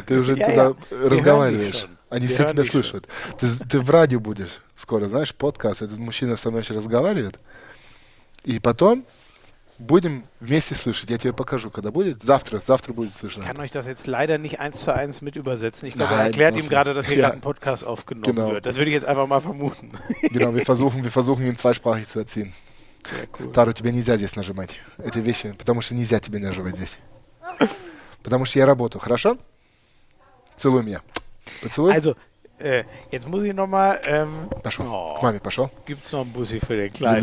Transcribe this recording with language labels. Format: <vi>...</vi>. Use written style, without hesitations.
<ru>Ты уже туда разговариваешь. Они все тебя слышат. Ты в радио будешь скоро, знаешь, подкаст. Этот мужчина со мной еще разговаривает. И потом будем вместе слышать. Я тебе покажу, когда будет. Завтра будет слышно.</ru> <de>Ich kann euch das jetzt leider nicht eins zu eins mit übersetzen. Ich glaube, er erklärt ihm gerade, dass hier gerade ein Podcast aufgenommen genau wird. Das würde ich jetzt einfach mal vermuten. Genau, wir versuchen ihn zweisprachig zu erziehen.</de> <ru>Taro, тебе нельзя здесь нажимать эти вещи, потому что нельзя тебе нажимать здесь. Потому что я работаю, хорошо? Целуй меня. Поцелуй.</ru> <de>Also, jetzt muss ich nochmal...</de> <ru>Пошел. Oh. К маме пошел.</ru> <de>Gibt es noch einen Bussi für den Kleinen?</de>